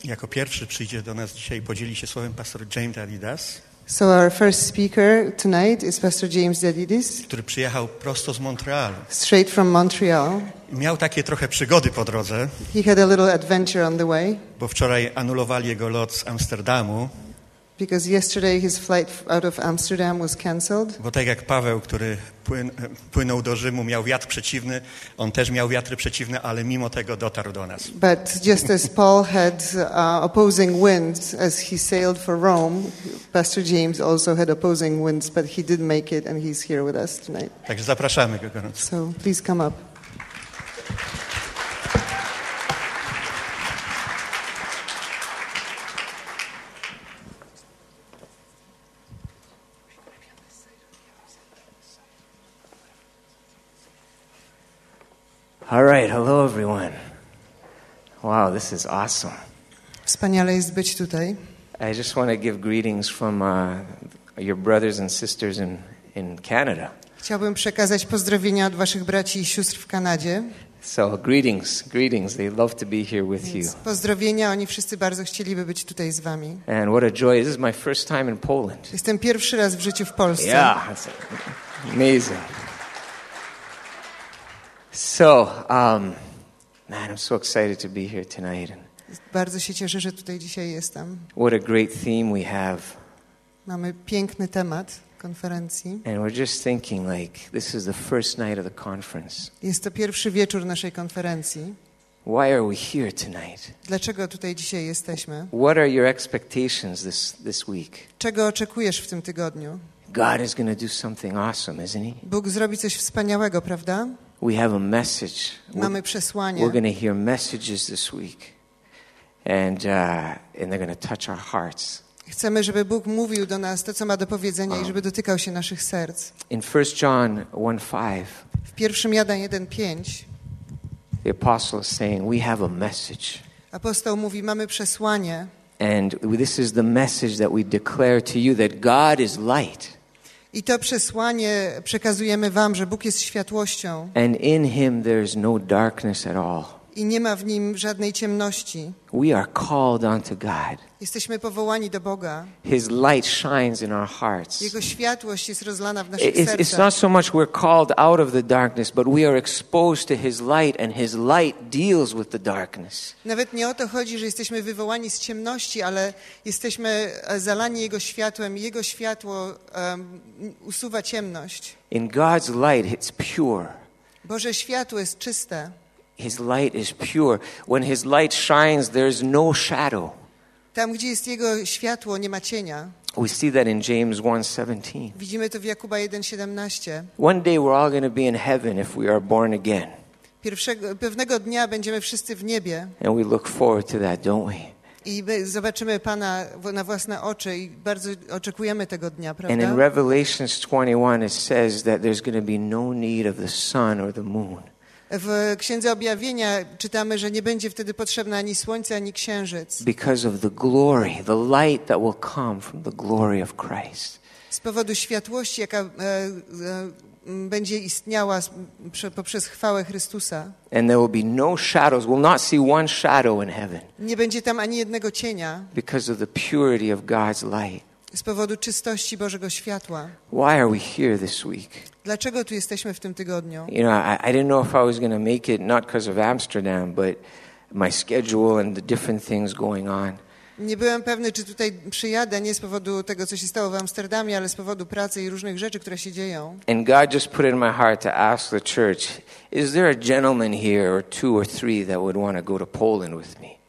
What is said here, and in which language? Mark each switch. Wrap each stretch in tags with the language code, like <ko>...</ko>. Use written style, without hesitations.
<pl>Jako pierwszy przyjdzie do nas dzisiaj i podzieli się słowem pastor James Dalidas.</pl> <en>So our first speaker tonight is Pastor James Dalidas,</en> <pl>który przyjechał prosto z Montrealu.</pl> <en>Straight from Montreal.</en> <pl>Miał takie trochę przygody po drodze.</pl> <en>He had a little adventure on the way.</en> <pl>Bo wczoraj anulowali jego lot z Amsterdamu.</pl> <en>Because yesterday his flight out of Amsterdam was cancelled.</en> <pl>Bo tak jak Paweł, który płynął do Rzymu, miał wiatr przeciwny, on też miał wiatry przeciwne, ale mimo tego dotarł do nas.</pl> <en>But just as Paul had opposing winds as he sailed for Rome, Pastor James also had opposing winds, but he did make it and he's here with us tonight.</en> <pl>Także zapraszamy go gorąco.</pl> <en>So please come up. All right, hello everyone. Wow, this is awesome.</en> <pl>Wspaniale jest być tutaj.</pl> <en>I just want to give greetings from your brothers and sisters in Canada.</en> <pl>Chciałbym przekazać pozdrowienia od waszych braci i sióstr w Kanadzie.</pl> <en>So greetings. They love to be here with you.</en> <pl>Pozdrowienia, oni wszyscy bardzo chcieliby być tutaj z wami.</pl> <en>And what a joy. This is my first time in Poland.</en> <pl>Jestem pierwszy raz w życiu w Polsce.</pl> <en>Yeah, that's amazing. So, man, I'm so excited to be here tonight.</en> <pl>Bardzo się cieszę, że tutaj dzisiaj jestem.</pl> <en>What a great theme we have.</en> <pl>Mamy piękny temat konferencji.</pl> <en>And we're just thinking like this is the first night of the conference.</en> <pl>Jest to pierwszy wieczór naszej konferencji.</pl> <en>Why are we here tonight?</en> <pl>Dlaczego tutaj dzisiaj jesteśmy?</pl> <en>What are your expectations this week?</en> <pl>Czego oczekujesz w tym tygodniu?</pl> <en>God is going to do something awesome, isn't he?</en> <pl>Bóg zrobi coś wspaniałego, prawda?</pl> <en>We have a message.</en> <pl>Mamy przesłanie.</pl> <en>We're going to hear messages this week. And they're going to touch our hearts.</en> <pl>Chcemy, żeby Bóg mówił do nas to, co ma do powiedzenia i żeby dotykał się naszych serc.</pl> <en>In 1 John 1:5.</en> <pl>W 1 Jana 1:5.</pl> <en>The apostle is saying, we have a message.</en> <pl>Apostoł mówi, mamy przesłanie.</pl> <en>And this is the message that we declare to you, that God is light.</en> <pl>I to przesłanie przekazujemy wam, że Bóg jest światłością.</pl> <en>And in him there is no darkness at all.</en> <pl>I nie ma w nim żadnej ciemności.</pl> <en>We are called unto God.</en> <pl>Jesteśmy powołani do Boga.</pl> <en>His light shines in our hearts.</en> <pl>Jego światłość jest rozlana w naszych sercach.</pl> <en>It's not so much we're called out of the darkness, but we are exposed to his light and his light deals with the darkness.</en> <pl>Nawet nie o to chodzi, że jesteśmy wywołani z ciemności, ale jesteśmy zalani jego światłem i jego światło usuwa ciemność.</pl> <en>In God's light it's pure.</en> <pl>Boże światło jest czyste.</pl> <en>His light is pure. When his light shines, there is no shadow.</en> <pl>Tam, gdzie jest jego światło, nie ma cienia.</pl> <en>We see that in James 1:17.</en> <pl>Widzimy to w Jakuba 1:17.</pl> <en>One day we're all going to be in heaven if we are born again.</en> <pl>Pewnego dnia będziemy wszyscy w niebie.</pl> <en>And we look forward to that, don't we?</en> <pl>I my zobaczymy Pana na własne oczy i bardzo oczekujemy tego dnia, prawda?</pl> <en>And in Revelations 21 it says that there's going to be no need of the sun or the moon.</en> <pl>W Księdze Objawienia czytamy, że nie będzie wtedy potrzebna ani słońce, ani księżyc.</pl> <en>Because of the glory, the light that will come from the glory of Christ.</en> <pl>Z powodu światłości, jaka będzie istniała poprzez chwałę Chrystusa.</pl> <en>And there will be no shadows. We'll not see one shadow in heaven.</en> <pl>Nie będzie tam ani jednego cienia.</pl> <en>Because of the purity of God's light.</en> <pl>Z powodu czystości Bożego światła.</pl> <en>Why are we here this week?</en> <pl>Dlaczego tu jesteśmy w tym tygodniu?</pl> <en>You know, I didn't know if I was going to make it, not because of Amsterdam, but my schedule and the different things going on.</en> <pl>Nie byłem pewny, czy tutaj przyjadę, nie z powodu tego, co się stało w Amsterdamie, ale z powodu pracy i różnych rzeczy, które się dzieją.</pl> <en>And God just put it in my heart to ask the church, is there a gentleman here or two or three that would want to go to Poland with me?</en>